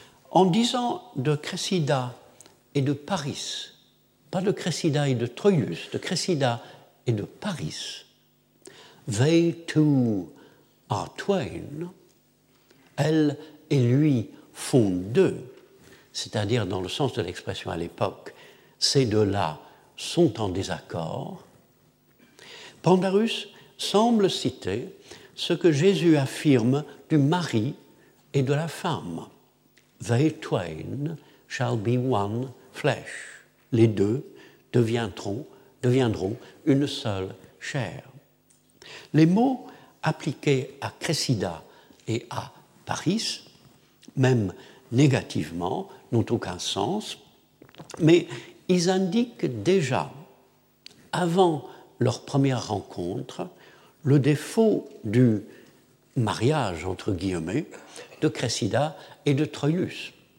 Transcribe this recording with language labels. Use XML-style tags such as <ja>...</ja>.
<fr>En disant de Cressida et de Paris, pas de Cressida et de Troïus, de Cressida et de Paris, «</fr> <en>They two are twain</en> <fr>», elle et lui font deux, c'est-à-dire dans le sens de l'expression à l'époque, ces deux-là sont en désaccord, Pandarus semble citer ce que Jésus affirme du mari et de la femme.</fr> <en>They twain shall be one flesh.</en> <fr>Les deux deviendront une seule chair. Les mots appliqués à Cressida et à Paris, même négativement, n'ont aucun sens, mais ils indiquent déjà, avant leur première rencontre, le défaut du mariage, entre guillemets, de Cressida et de Troïlus.</fr>